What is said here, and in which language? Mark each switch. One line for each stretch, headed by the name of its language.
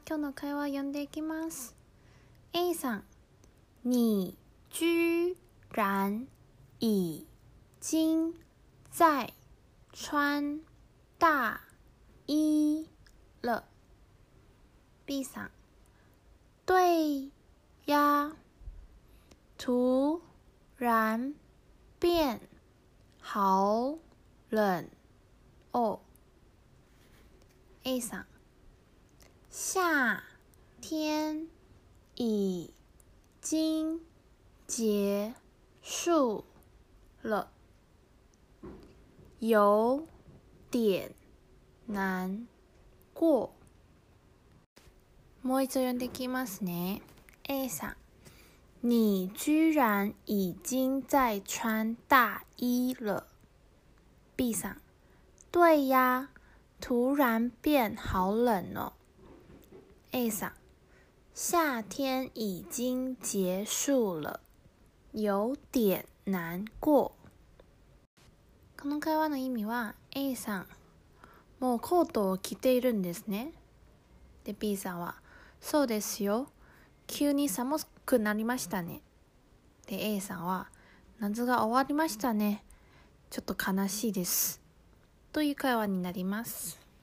Japanese: 今日の会話を読んでいきます。
Chinese: A さん、你居然已经在穿大衣了。 B さん，对呀，突然变好冷哦。 A さん，夏天已经结束了，有点难过。
Japanese: もう一度読んでいきますね。
Chinese: A さん，你居然已经在穿大衣了。 B さん，对呀，突然变好冷哦。 A さん，夏天已经结束了，有点难过。
Japanese: この会話の意味は、 A さん、もうコートを着ているんですね。で、 B さんは、そうですよ、急に寒くなりましたね。で、 A さんは、夏が終わりましたね、ちょっと悲しいですという会話になります。